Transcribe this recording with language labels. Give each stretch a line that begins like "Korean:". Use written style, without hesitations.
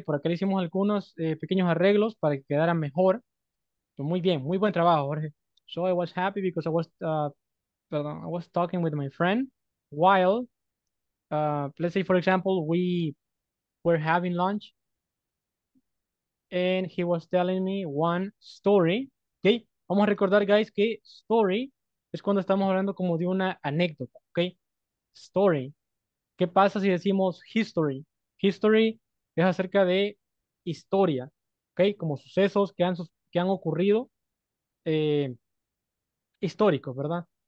Spanish: Por acá le hicimos algunos pequeños arreglos para que quedara mejor. Pero muy bien. Muy buen trabajo, Jorge.
English: So I was happy because I was talking with my friend while, let's say, for example, we were having lunch and he was telling me one story.
Spanish: Okay, vamos a recordar, guys, que story es cuando estamos hablando como de una anécdota. Okay, story. ¿Qué pasa si decimos history? History es acerca de historia. Okay, como sucesos que han ocurrido históricos, ¿verdad?